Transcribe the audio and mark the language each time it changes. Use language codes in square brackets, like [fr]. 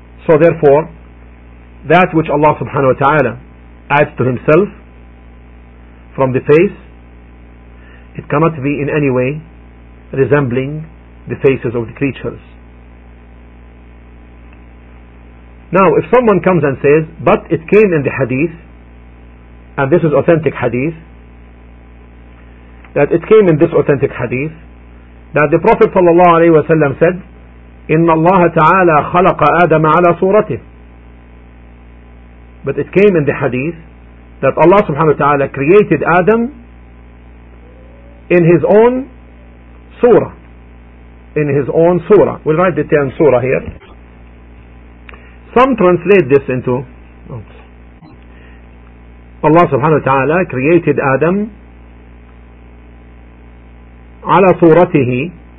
[en] So therefore, that which Allah subhanahu wa ta'ala adds to Himself from the face, it cannot be in any way resembling the faces of the creatures. Now, if someone comes and says, but it came in the hadith, and this is authentic hadith, that it came in this authentic hadith, that the Prophet ﷺ said, [ar] إن الله تعالى خلق آدم على صورته. [en] But it came in the hadith that Allah subhanahu wa ta'ala created Adam in his own surah. In his own surah. We'll write the term surah here. Some translate this into Allah subhanahu wa ta'ala created Adam [ar] على صورته.